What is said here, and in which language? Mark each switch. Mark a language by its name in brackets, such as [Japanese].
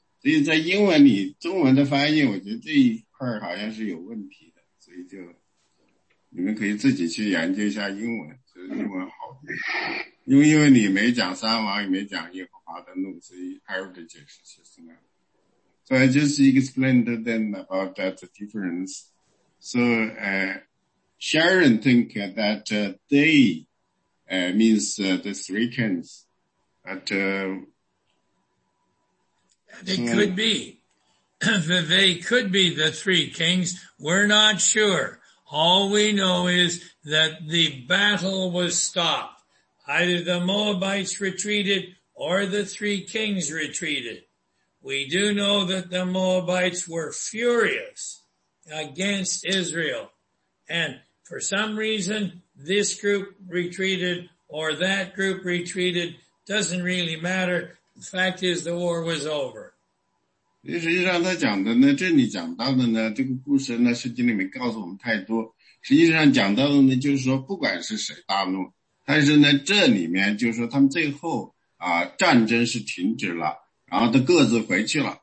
[Chinese] 所以在英文里中文的翻译我觉得这一块好像是有问题的，所以就你们可以自己去研究一下英文，所以英文好一点，因为英文里没讲三王也没讲耶和华的怒，所以 Harold 的解释就是那样。 [English] So I just explained to them about that difference. So Sharon think that they means the three kings but It could be. They could be the three kings. We're not sure. All we know is that the battle was stopped. Either the Moabites retreated or the three kings retreated. We do know that the Moabites were furious against Israel. And for some reason, this group retreated or that group retreated. Doesn't really matter. The fact is the war was over. [Chinese] 实际上他讲的呢，这里讲到的呢，这个故事呢，圣经里面告诉我们太多。实际上讲到的呢，就是说不管是谁大怒，但是呢，这里面就是说他们最后啊，战争是停止了，然后都各自回去了。